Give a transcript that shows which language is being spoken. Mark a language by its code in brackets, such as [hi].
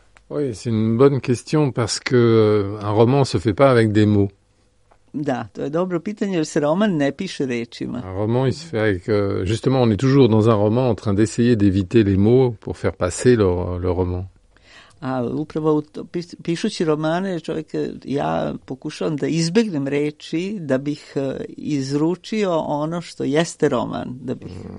[fr] Oui, c'est une bonne question parce que un roman se fait pas avec des mots. [sr] Da, to je dobro pitanje, jer se roman ne piše rečima. [fr] Un roman, il se fait avec, justement, on est toujours dans un roman en train d'essayer d'éviter les mots pour faire passer le roman. [sr] A upravo pišući romane, čovjek, ja pokušavam da izbjegnem reči da bih izručio ono što jeste roman. Da bih...